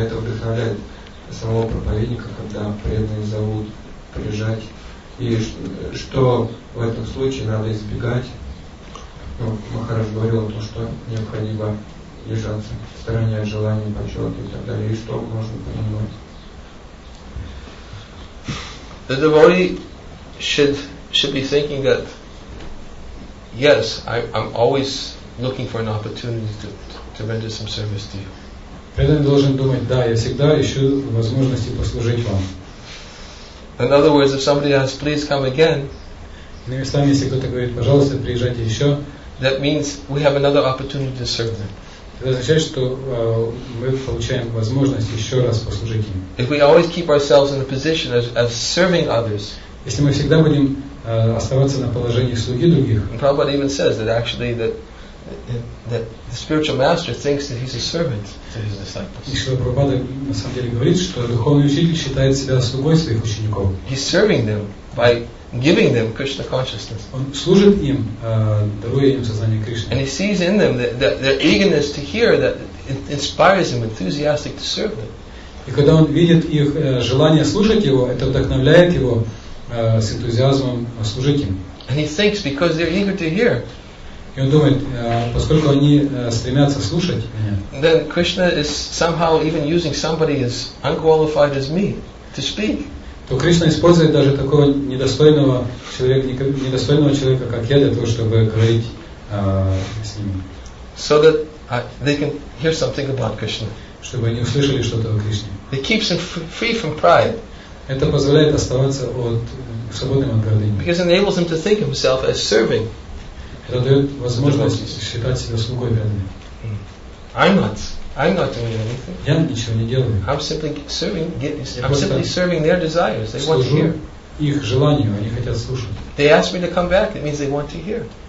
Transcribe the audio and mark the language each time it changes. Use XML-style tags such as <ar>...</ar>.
<ru>Это вдохновляет самого проповедника, когда преданные зовут приезжать. И что в этом случае надо избегать? Ну, Махарадж говорил о том, что необходимо держаться в стороне от желаний, почета и так далее. И что можно понимать?</ru> <en>The devotee should be thinking that yes, I'm always looking for an opportunity to render some service to you.</en> <ru>Преданный должен думать, да, я всегда ищу возможности послужить вам.</ru> <en>In other words, if somebody asks, please come again.</en> <ru>Иными словами, если кто-то говорит, пожалуйста, приезжайте еще.</ru> <en>That means we have another opportunity to serve them.</en> <ru>Это означает, что мы получаем возможность еще раз послужить им.</ru> <en>If we always keep ourselves in a position of serving others,</en> <ru>если мы всегда будем оставаться на положении слуги других,</ru> <en>and Prabhupada even says that actually that the spiritual master thinks that he's a servant to his disciples.</en> <ru>И что Прабхупада на самом деле говорит, что духовный учитель считает себя слугой своих учеников.</ru> <en>He's serving them by giving them Krishna consciousness.</en> <ru>Он служит им, даруя им сознание Кришны.</ru> <en>And he sees in them the eagerness to hear that inspires him, enthusiastic to serve them.</en> <ru>И когда он видит их желание служить его, это вдохновляет его с энтузиазмом служить им.</ru> <en>And he thinks because they're eager to hear.</en> <ru>И он думает, поскольку они стремятся слушать меня.</ru> <en>Then Krishna is somehow even using somebody as unqualified as me to speak.</en> <ru>То Кришна использует даже такого недостойного человека, как я, для того, чтобы говорить с ними.</ru> <en>So that they can hear something about Krishna.</en> <ru>Чтобы они услышали что-то о Кришне.</ru> <en>It keeps them free from pride.</en> <ru>Это позволяет оставаться свободным от гордыни.</ru> <en>Because it enables them to think of himself as serving.</en> <ru>Это дает возможность считать себя слугой преданным.</ru> <en>I'm not doing anything.</en> <ru>Я ничего не делаю.</ru> <en>I'm simply serving their desires. They want to hear.</en> <ru>Их желанию, они хотят слушать.</ru> <en>They ask me to come back. It means they want to hear.</en>